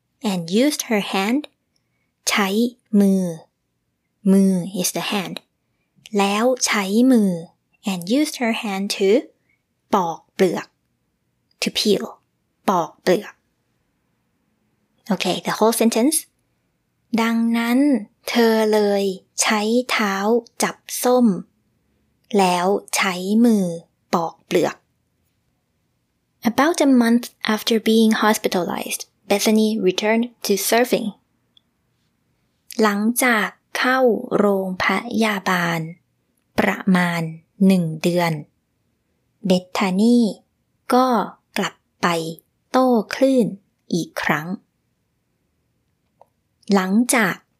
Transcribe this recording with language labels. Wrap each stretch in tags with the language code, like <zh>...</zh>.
<en>and used her hand</en> <th>ใช้มือ มือ</th> <en>is the hand.</en> <th>แล้วใช้มือ</th> <en>and used her hand to</en> <th>ปอกเปลือก</th> <en>to peel</en> <th>ปอกเปลือก</th> <en>Okay, the whole sentence.</en> <th>ดังนั้นเธอเลยใช้เท้าจับส้มแล้วใช้มือปอกเปลือก</th> <en>About a month after being hospitalized, Bethany returned to surfing.</en> <th>หลังจากเข้าโรงพยาบาลประมาณ1เดือน Bethany ก็กลับไปโต้คลื่นอีกครั้งหลังจาก</th>